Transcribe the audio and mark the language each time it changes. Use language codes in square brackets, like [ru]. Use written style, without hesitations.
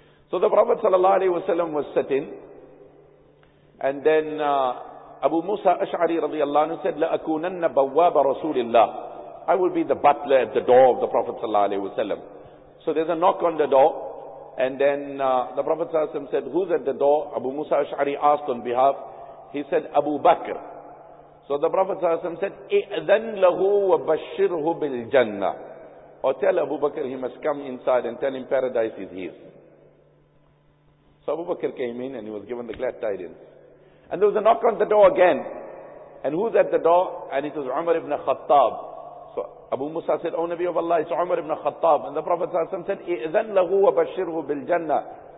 [en] So the Prophet sallallahu alaihi wasallam was sitting, and then Abu Musa Ash'ari radiallahu anhu said, [ar] لَأَكُونَنَّ بَوَّابَ رَسُولِ اللَّهِ. [en] I will be the butler at the door of the Prophet sallallahu alaihi wasallam. So there's a knock on the door, and then the Prophet sallallahu alaihi wasallam said, who's at the door? Abu Musa Ash'ari asked on behalf. He said, Abu Bakr. So the Prophet ﷺ said, [ar] اِعْذَنْ لَهُ وَبَشِّرْهُ بِالْجَنَّةِ. [en] Or tell Abu Bakr, he must come inside and tell him paradise is his. So Abu Bakr came in and he was given the glad tidings. And there was a knock on the door again. And who's at the door? And it was Umar ibn Khattab. So Abu Musa said, O Nabi of Allah, it's Umar ibn Khattab. And the Prophet said, [ar] اِذَنْ لَهُ وَبَشِّرْهُ بِالْجَنَّةِ.